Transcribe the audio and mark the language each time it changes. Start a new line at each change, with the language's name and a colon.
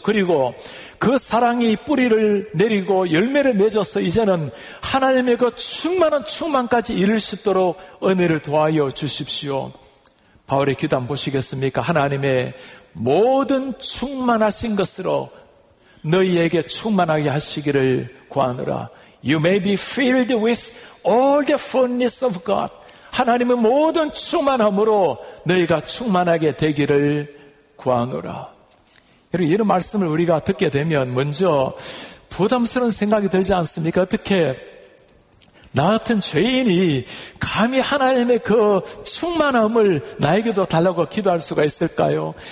Korean: 그리고 그 사랑이 뿌리를 내리고 열매를 맺어서 이제는 하나님의 그 충만한 충만까지 이룰 수 있도록 은혜를 도하여 주십시오. 바울의 기도 한번 보시겠습니까? 하나님의 모든 충만하신 것으로 너희에게 충만하게 하시기를 구하느라.
English: You may be filled with all the fullness of God.
Korean: 하나님의 모든 충만함으로 너희가 충만하게 되기를 구하노라. 여러분, 이런 말씀을 우리가 듣게 되면 먼저 부담스러운 생각이 들지 않습니까? 어떻게 나 같은 죄인이 감히 하나님의 그 충만함을 나에게도 달라고 기도할 수가 있을까요?